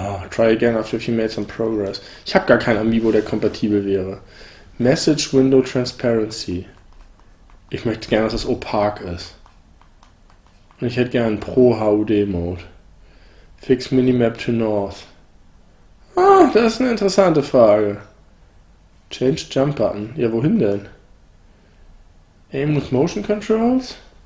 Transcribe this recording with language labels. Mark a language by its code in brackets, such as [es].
[en] Try again after you made some progress. [de] Ich habe gar kein Amiibo, der kompatibel wäre. [en] Message Window Transparency. [de] Ich möchte gerne, dass das opak ist. Und ich hätte gerne einen Pro HUD Mode. [en] Fix Minimap to North. [de] Ah, das ist eine interessante Frage. [en] Change Jump Button. [de] Ja, wohin denn? [en] Aim with Motion Controls?